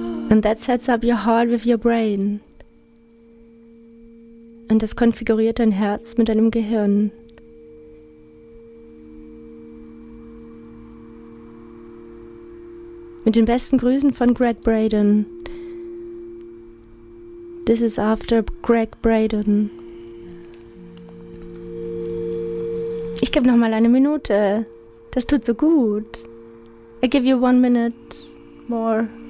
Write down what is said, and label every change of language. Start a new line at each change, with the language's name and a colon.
English: And that sets up your heart with your brain.
German: Und das konfiguriert dein Herz mit deinem Gehirn. Mit den besten Grüßen von Greg Braden.
English: This is after Greg Braden.
German: Ich gebe noch mal eine Minute. Das tut so gut.
English: I give you 1 minute more.